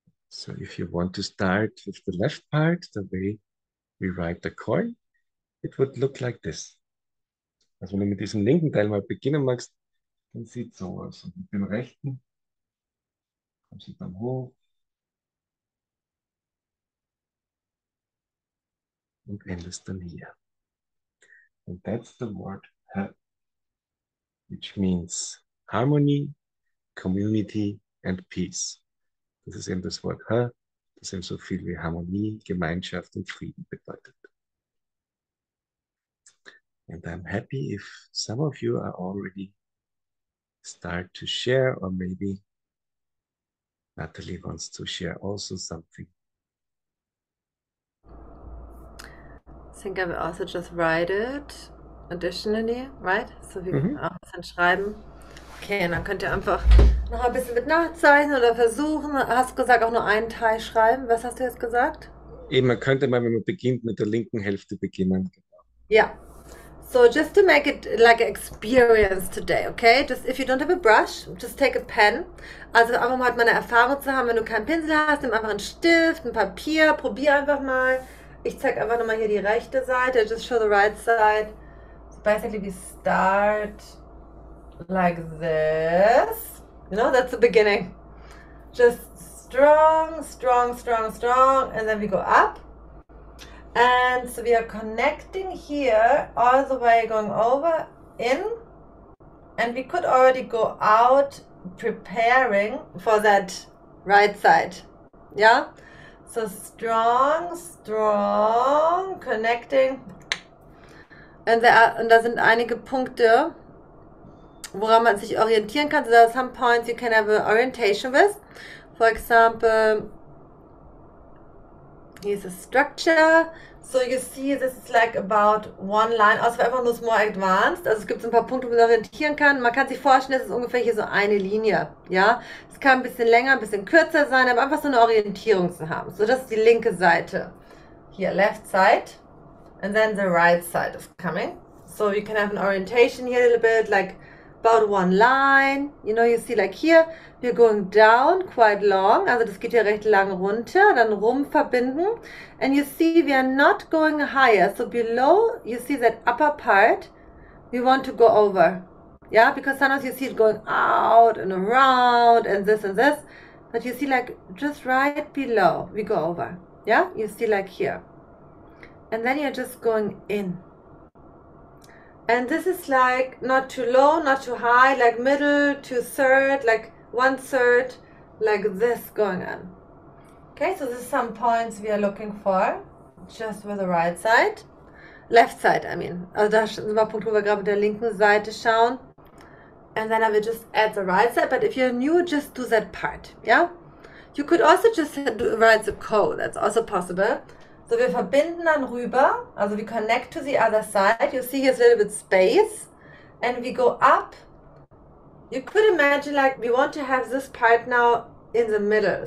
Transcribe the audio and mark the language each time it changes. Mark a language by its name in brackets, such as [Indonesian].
[English] So if you want to start with the left part, the way we write the coin, it would look like this. [German] Also wenn du mit diesem linken Teil mal beginnen magst, dann sieht es so aus. Und mit dem rechten kommst du dann hoch und endest dann hier. [English] And that's the word ha, which means harmony, community and peace. [German] Das ist eben das Wort ha, das eben so viel wie Harmonie, Gemeinschaft und Frieden bedeutet. [English] And I'm happy if some of you are already start to share, or maybe Natalie wants to share also something. I think I will also just write it additionally, right? [German] So wie auch ein Schreiben. Okay, und dann könnt ihr einfach noch ein bisschen mit nachzeichnen oder versuchen. Hast du gesagt, auch nur einen Teil schreiben? Was hast du jetzt gesagt? Eben, man könnte mal, wenn man beginnt, mit der linken Hälfte beginnen. [English] Ja. So just to make it like an experience today, okay? Just if you don't have a brush, just take a pen. [German] Also einfach mal halt meine Erfahrung zu haben, wenn du keinen Pinsel hast, nimm einfach einen Stift, ein Papier, probier einfach mal. Ich zeig einfach nochmal hier die rechte Seite. [English] Just show the right side. So basically we start like this. You know, that's the beginning. Just strong, strong, strong, strong, and then we go up. And so we are connecting here all the way going over in, and we could already go out preparing for that right side. Yeah? So strong, strong connecting. And there are, [German] und da sind einige Punkte, woran man sich orientieren kann. [English] So there are some points you can have an orientation with. For example, here's a structure. So you see, this is like about one line. [German] Also einfach nur [English] more advanced. [German] Also es gibt so ein paar Punkte, wo man orientieren kann. Man kann sich vorstellen, das ist ungefähr hier so eine Linie. Ja, es kann ein bisschen länger, ein bisschen kürzer sein, aber einfach so eine Orientierung zu haben. So, das ist die linke Seite. Hier, [English] left side. And then the right side is coming. So you can have an orientation here a little bit, like about one line. You know, you see like here, we're going down quite long. Also das geht ja recht lang runter, dann rum verbinden. And you see, we are not going higher. So below, you see that upper part, we want to go over. Yeah, because sometimes you see it going out and around and this. But you see like just right below, we go over. Yeah, you see like here. And then you're just going in. And this is like not too low, not too high, like middle to third, like one third, like this going on. Okay, so this is some points we are looking for, just with the right side. Left side, I mean. [German] Also da sind wir Punkt, wo wir gerade mit der linken Seite schauen. [English] And then I will just add the right side. But if you're new, just do that part. Yeah? You could also just do, write the code. That's also possible. [German] So wir verbinden dann rüber. [English] Also we connect to the other side. You see here's a little bit space. And we go up. You could imagine like we want to have this part now in the middle.